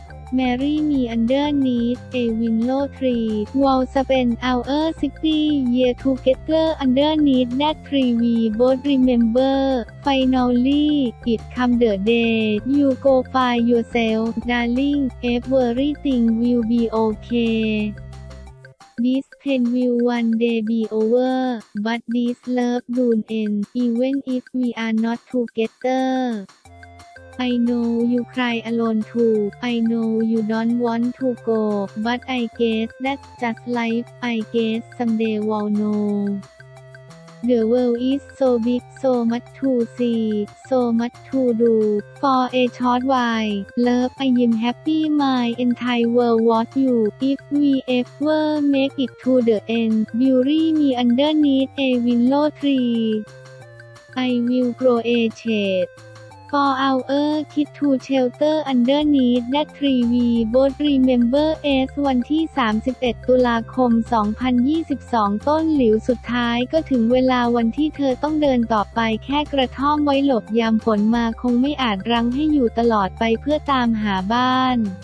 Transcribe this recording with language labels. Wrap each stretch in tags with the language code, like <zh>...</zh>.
<en>MeMary me underneath a willow tree We'll spend our 60 years together underneath that tree We both remember Finally, it come the day You go find yourself Darling, everything will be okayThis pain will one day be over, but this love don't end, even if we are not together. I know you cry alone too, I know you don't want to go, but I guess that's just life, I guess someday we'll know. The world is so big, so much to see, so much to do, for a short while, love I am happy my entire world was you, if we ever make it to the end, bury me underneath a willow tree, I will grow a shade. For our kid to shelter underneath that tree we both remember as</en> <th>วันที่31ตุลาคม2022ต้นหลิวสุดท้ายก็ถึงเวลาวันที่เธอต้องเดินต่อไปแค่กระท่อมไว้หลบยามฝนมาคงไม่อาจรั้งให้อยู่ตลอดไปเพื่อตามหาบ้าน</th>